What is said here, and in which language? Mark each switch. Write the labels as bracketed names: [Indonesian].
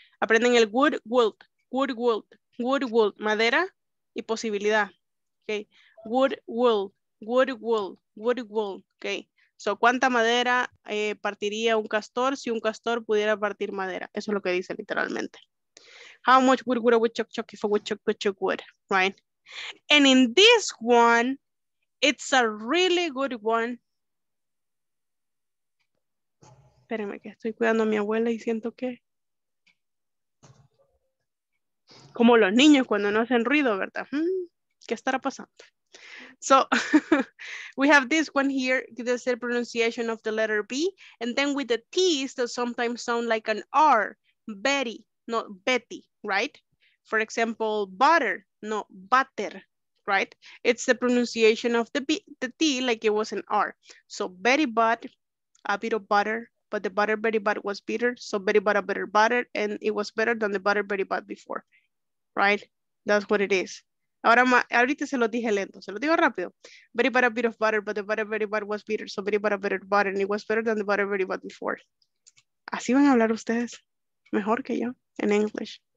[Spanish] Aprenden el wood, wood, wood, wood, wood, wood, madera y posibilidad, okay? [English] Wood, wood, wood, wood, wood, wood, okay? [Spanish] So, ¿cuánta madera partiría un castor si un castor pudiera partir madera? Eso es lo que dice literalmente. [English] How much wood would a woodchuck chuck if a woodchuck could chuck wood, right? And in this one, it's a really good one. [Spanish] Espérenme que estoy cuidando a mi abuela y siento que... Como los niños cuando no hacen ruido, ¿verdad? ¿Qué estará pasando? [English] So, we have this one here. This is the pronunciation of the letter B. And then with the T's that sometimes sound like an R. Betty, not Betty, right? For example, butter, not butter, right? It's the pronunciation of the T like it was an R. So, Betty bought a bit of butter. But the butter Betty bought was bitter, so Betty bought a better butter, and it was better than the butter Betty bought before, right? That's what it is. [Spanish] Ahora, ahorita se lo dije lento, se lo digo rápido. [English] Betty bought a bit of butter, but the butter Betty bought was bitter, so Betty bought a better butter, and it was better than the butter Betty bought before. [Spanish] Así van a hablar ustedes, mejor que yo, en English.